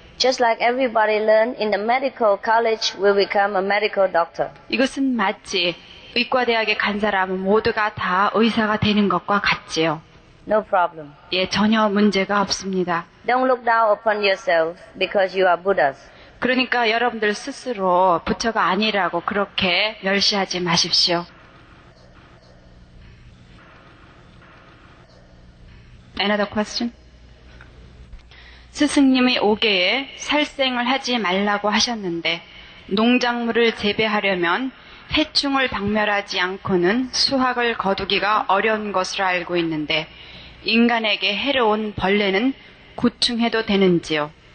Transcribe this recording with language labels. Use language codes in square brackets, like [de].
[en] Just like everybody learn in the medical college will become a medical doctor. [ko] 이것은 마치 의과대학에 간 사람은 모두가 다 의사가 되는 것과 같지요. [en] No problem. [ko] 예, 전혀 문제가 없습니다. [en] Don't look down upon yourself because you are Buddhas. [ko] 그러니까 여러분들 스스로 부처가 아니라고 그렇게 멸시하지 마십시오. [en] Another question? [ko] 스승님이 오게에 살생을 하지 말라고 하셨는데 농작물을 재배하려면 해충을 박멸하지 않고는 수확을 거두기가 어려운 것으로 알고 있는데 인간에게 해로운 벌레는 구충해도 되는지요?